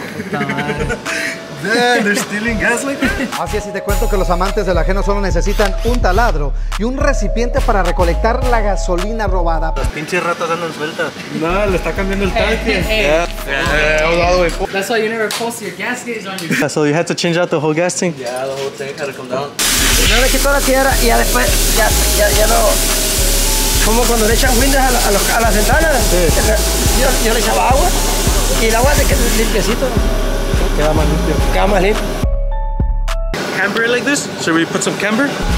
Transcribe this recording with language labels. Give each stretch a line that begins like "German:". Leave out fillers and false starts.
English: Damn, they're stealing gas like that?
Spanish: Así es, y te cuento que los amantes del ajeno solo necesitan un taladro y un recipiente para recolectar la gasolina robada. Las pinches ratas andan sueltas. No, le está cambiando el tanque.
English: That's why you never post your gas gauge on your... So you had to change out the whole gas tank? Yeah, the whole tank had to come down.
Spanish: Primero le quito la tierra y ya después ya no... Como cuando le echan windows a las ventanas. Sí. Yo le echaba agua y el agua se quedó limpiecito.
English: Camber it like this? Should we put some camber?